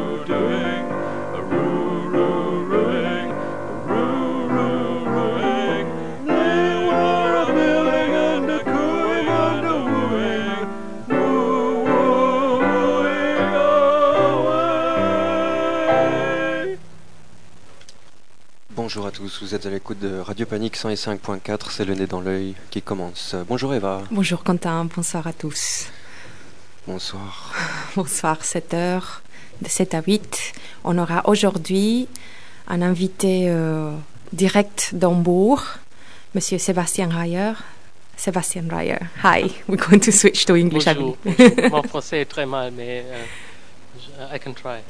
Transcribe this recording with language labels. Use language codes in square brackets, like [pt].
[en] A-roo-roo-rooing, roo-roo-rooing. They were a-billing and a-cooing and a-wooing, woo-wooing away. [fr] Bonjour à tous, vous êtes à l'écoute de Radio Panique 105.4, c'est le nez dans l'œil qui commence. Bonjour Eva. Bonjour Quentin, bonsoir à tous. Bonsoir. Bonsoir, 7h, de 7 à 8. On aura aujourd'hui un invité direct d'Hambourg, Monsieur Sébastien Reyer. [en] Sébastien Reyer, hi, we're going to switch to English. [fr] Bonjour. Mon français est très mal, mais [en] I can try.